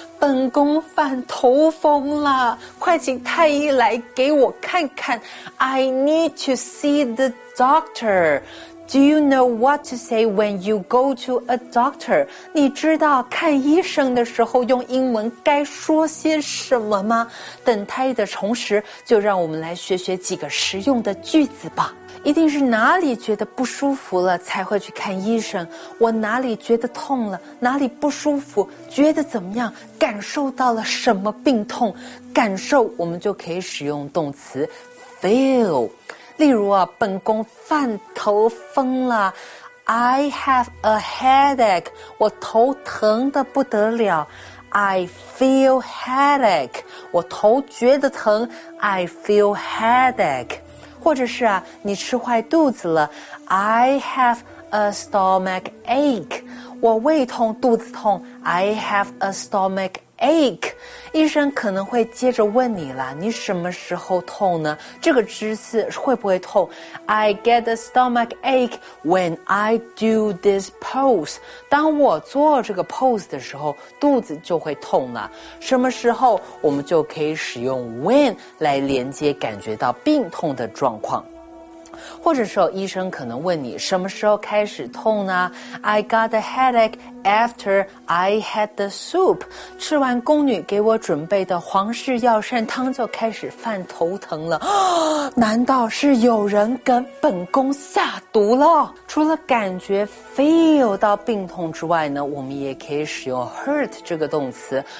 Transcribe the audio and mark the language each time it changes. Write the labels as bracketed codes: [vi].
[zh] 本宫犯头风了，快请太医来给我看看。 [en] I need to see the doctor. Do you know what to say when you go to a doctor? [zh] 你知道看医生的时候用英文该说些什么吗？等太医的同时，就让我们来学学几个实用的句子吧。一定是哪里觉得不舒服了才会去看医生。我哪里觉得痛了，哪里不舒服，觉得怎么样，感受到了什么病痛。感受我们就可以使用动词 feel。例如啊，本宫犯头风了。 [en] I have a headache， [zh] 我头疼得不得了。 [en] I feel headache， [zh] 我头觉得疼。 [en] I feel headache。 [zh] 或者是啊，你吃坏肚子了 [en] ，I have a stomach ache， [zh] 我胃痛，肚子痛 [en] ，I have a stomach ache。 [zh] 医生可能会接着问你了，你什么时候痛呢？这个姿势会不会痛 [en] ？I get a stomach ache when I do this pose。 [zh] 当我做这个 pose 的时候，肚子就会痛了。什么时候我们就可以使用 when 来连接感觉到病痛的状况？或者说医生可能问你什么时候开始痛呢 [en] ？I got a headache after I had the soup. [zh] 吃完宫女给我准备的皇室药膳汤就开始犯头疼了。难道是有人跟本宫下毒了？除了感觉 feel 到病痛之外呢，我们也可以使用 hurt 这个动词。